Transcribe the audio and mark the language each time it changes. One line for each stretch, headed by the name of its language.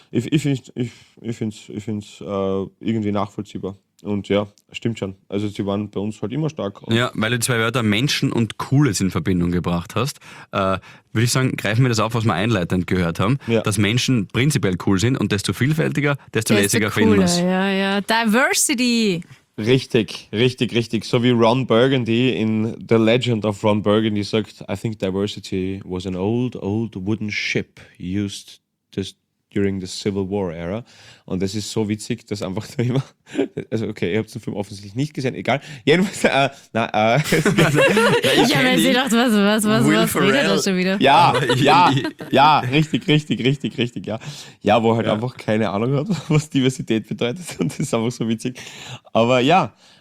German: Ich finde es irgendwie nachvollziehbar. Und ja, stimmt schon. Also sie waren bei uns halt immer stark. Ja, weil du zwei Wörter Menschen und Cooles in Verbindung gebracht hast, würde ich sagen, greifen wir das auf, was wir einleitend gehört haben, dass Menschen prinzipiell cool sind und desto vielfältiger, desto lässiger finden wir es. Ja. Diversity! Richtig. So wie Ron Burgundy in The Legend of Ron Burgundy sagt,
English: I think diversity was an old, old wooden ship used just during the Civil War era.
German: Und das ist so witzig, dass einfach da immer, also okay, ihr habt den Film offensichtlich nicht gesehen, egal. Jedenfalls, ich habe jetzt gedacht, was redet das schon wieder? Ja, richtig. Ja, wo halt einfach keine Ahnung hat, was Diversität bedeutet. Und das ist einfach so witzig. Aber ja,